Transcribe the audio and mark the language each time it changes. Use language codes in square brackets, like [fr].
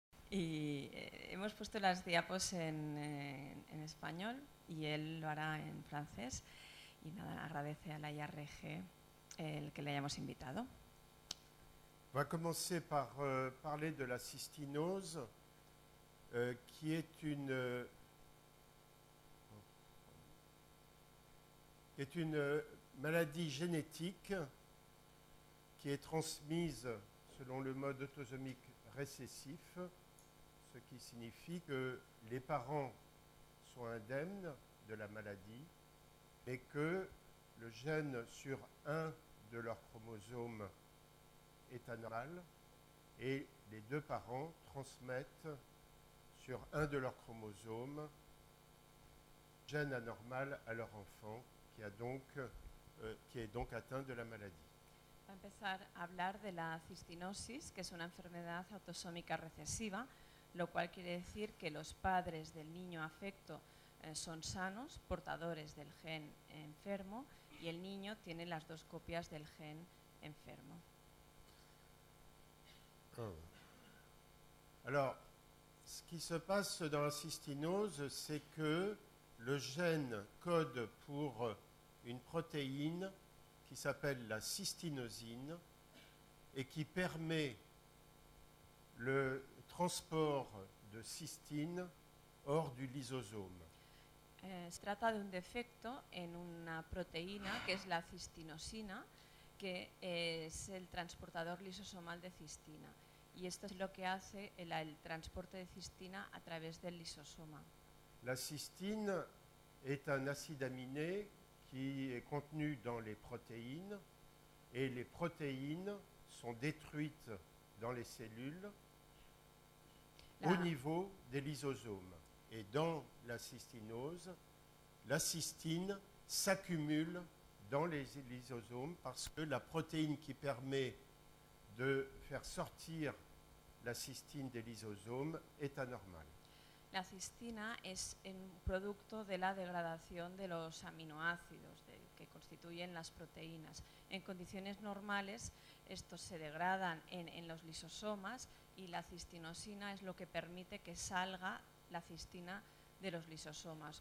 [es] Y hemos puesto las diapos en español y él lo hará en francés. Y nada, agradece a la IRG el que le hayamos invitado. Va a comenzar por hablar de la cistinosis, que es una... [fr] est une maladie génétique qui est transmise selon le mode autosomique récessif, ce qui signifie que les parents sont indemnes de la maladie, mais que le gène sur un de leurs chromosomes est anormal, et les deux parents transmettent sur un de leurs chromosomes un gène anormal à leur enfant, qui est donc atteint de la maladie. [es] Va empezar a hablar de la cistinosis, que es una enfermedad autosómica recesiva, lo cual quiere decir que los padres del niño afecto son sanos, portadores del gen enfermo, y el niño tiene las dos copias del gen enfermo. [fr] Alors, ce qui se passe dans la cistinose, c'est que le gène code pour une protéine qui s'appelle la cystinosine et qui permet le transport de cystine hors du lysosome. [es] Se trata de un defecto en una proteína que es la cistinosina, que es el transportador lisosomal de cistina, y esto es lo que hace el transporte de cistina a través del lisosoma. [fr] La cystine est un acide aminé qui est contenu dans les protéines, et les protéines sont détruites dans les cellules au niveau des lysosomes. Et dans la cystinose, la cystine s'accumule dans les lysosomes parce que la protéine qui permet de faire sortir la cystine des lysosomes est anormale. [es] La cistina es un producto de la degradación de los aminoácidos que constituyen las proteínas. En condiciones normales, estos se degradan en los lisosomas y la cistinosina es lo que permite que salga la cistina de los lisosomas.